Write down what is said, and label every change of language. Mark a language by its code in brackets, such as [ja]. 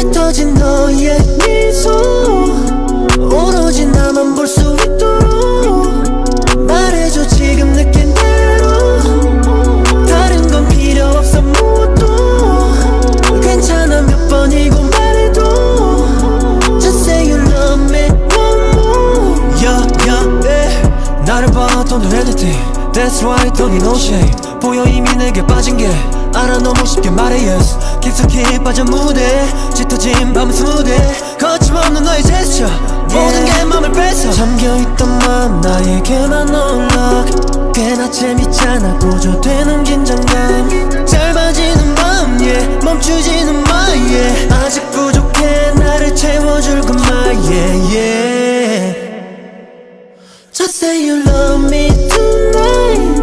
[ko] 지 너의 미소 오로지 나만 볼 수 있도록 말해줘 지금 느낀 대로. 다른 건 필요 없어 무엇도 괜찮아 몇 번이고 말해도. [en] Just say you love me one more. Yeah yeah yeah. [ko] 나를 봐 [en] don't do anything. That's right don't need no shame. [ko] 보여 이미 내게 빠진 게 알아 너무 쉽게 말해 yes. 깊숙이 빠진 무대 짙어진 밤은 스무대. 거침없는 너의 제스처 모든 게 맘을 뺏어. 잠겨있던 맘 나에게만 올락. 꽤나 재밌잖아 고조되는 긴장감. 짧아지는 밤 yeah. 멈추지는 마 yeah. 아직 부족해 나를 채워줄 것만 yeah, yeah. [en] Just say you love me tonight.